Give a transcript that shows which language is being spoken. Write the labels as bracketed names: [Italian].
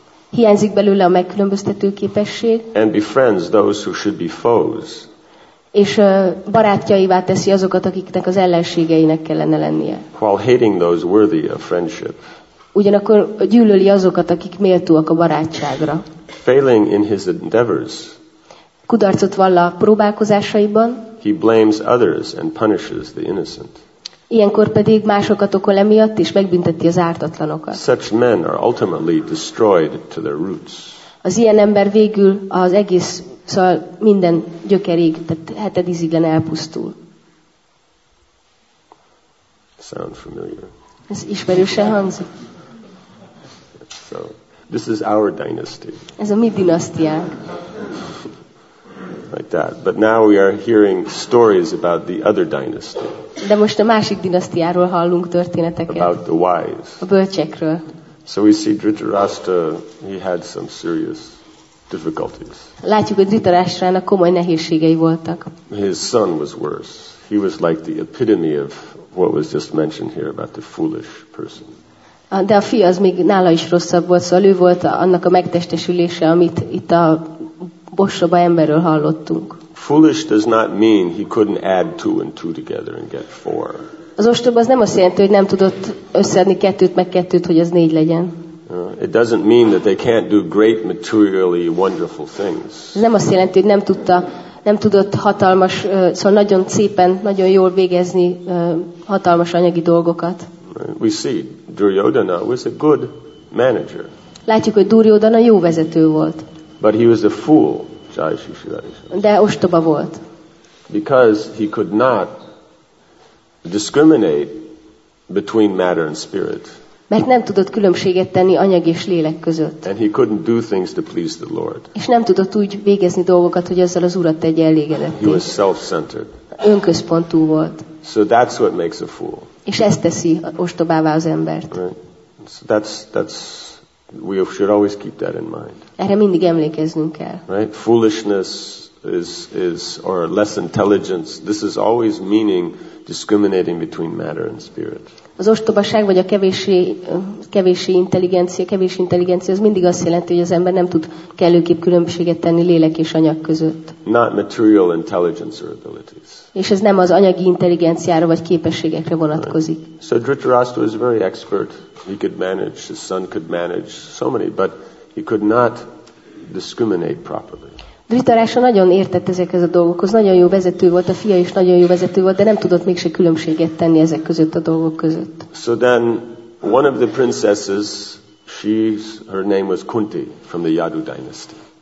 [Hungarian] Hiányzik belőle a megkülönböztető képesség. [English] And befriends those who should be foes. [Hungarian] És barátjaivá teszi azokat, akiknek az ellenségeinek kellene lennie. [English] While hating those worthy of friendship. [Hungarian] Ugyanakkor gyűlöli azokat, akik méltóak a barátságra. [English] Failing in his endeavors. [Hungarian] Kudarcot vall a próbálkozásaiban. [English] He blames others and punishes the innocent. [Hungarian] Ilyenkor pedig másokat okol emiatt és megbünteti az ártatlanokat. [English] Such men are ultimately destroyed to their roots. [Hungarian] Az ilyen ember végül az egész, szóval minden gyökerig, tehát hetedíziglen elpusztul. [English] Sound familiar? [Hungarian] Ez ismerősen hangzik. [English] So, this is our dynasty. [Hungarian] Ez a mi dinasztiánk. [English] Like that. But now we are hearing stories about the other dynasty. [Hungarian] De most a másik dinasztiáról hallunk történeteket. [English] About the wise. [Hungarian] A bölcsekről. [English] So we see Dhritarashtra, he had some serious difficulties. [Hungarian] Látjuk, hogy Dhritarashtrának komoly nehézségei voltak. [English] His son was worse. He was like the epitome of what was just mentioned here about the foolish person. [Hungarian] De a fia az még nála is rosszabb volt, szóval ő volt annak a megtestesülése, amit itt a bosszúba emberről hallottunk. [English] Foolish does not mean he couldn't add two and two together and get four. [Hungarian] Az ostob az nem azt jelenti, hogy nem tudott összeadni kettőt meg kettőt, hogy az négy legyen. [English] It doesn't mean that they can't do great materially wonderful things. [Hungarian] Nem azt jelenti, hogy nem tudta, nem tudott hatalmas, szóval nagyon szépen, nagyon jól végezni hatalmas anyagi dolgokat. [English] We see Duryodhana was a good manager. [Hungarian] Látjuk, hogy Duryodhana jó vezető volt. [English] But he was a fool, Jayashishirani. [Hungarian] De ostoba volt. [English] Because he could not discriminate between matter and spirit. [Hungarian] Mert nem tudott különbséget tenni anyag és lélek között. [English] And he couldn't do things to please the Lord. [Hungarian] És nem tudott úgy végezni dolgokat, hogy azzal az Urat tegye elégedetté. [English] He was self-centered. [Hungarian] Önközpontú volt. [English] So that's what makes a fool. [Hungarian] És ezt teszi ostobává az embert. [English] Right. So that's we should always keep that in mind. [Hungarian] Erre mindig emlékeznünk kell. [English] Right? Foolishness is or less intelligence. This is always meaning discriminating between matter and spirit. [Hungarian] Az ostobaság vagy a kevési intelligencia az mindig azt jelenti, hogy az ember nem tud kellőképp különbséget tenni lélek és anyag között. [English] Not material intelligence or abilities. [Hungarian] És ez nem az anyagi intelligenciára vagy képességekre vonatkozik. [English] So Dhritarashtra was very expert. He could manage, his son could manage so many, but he could not discriminate properly. [Hungarian] Dhritarashtra nagyon értett ezekhez a dolgokhoz, nagyon jó vezető volt, a fia is nagyon jó vezető volt, de nem tudott mégse különbséget tenni ezek között a dolgok között. [English] So then one of the princesses, her name was Kunti from the Yadu dynasty.